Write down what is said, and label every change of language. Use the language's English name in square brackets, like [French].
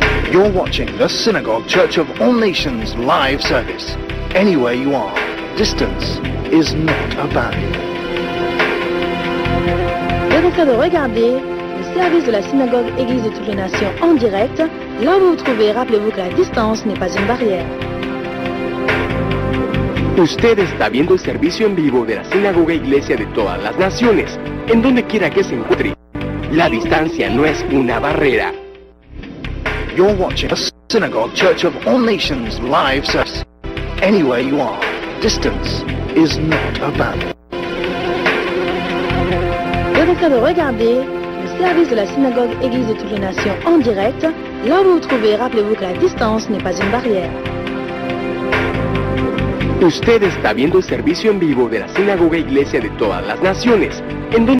[English] You're watching the Synagogue Church of All Nations live service. Anywhere you are, distance is not a barrier. [French] Vous êtes en train de regarder le service de la Synagogue Église de toutes les nations en direct. Là où vous vous trouvez, rappelez-vous que la distance n'est pas une barrière. [Spanish] Usted está viendo el servicio en vivo de la Sinagoga Iglesia de todas las naciones, en donde quiera que se encuentre. La distancia no es una barrera. [English] You're watching a Synagogue Church of All Nations live service. Anywhere you are, distance is not a barrier. [French] Vous êtes en train de regarder le service de la Synagogue Église de toutes les nations en direct. Là où vous vous trouvez, rappelez-vous que la distance n'est pas une barrière. [Spanish] Usted está viendo el servicio en vivo de la Sinagoga Iglesia de todas las naciones, en donde...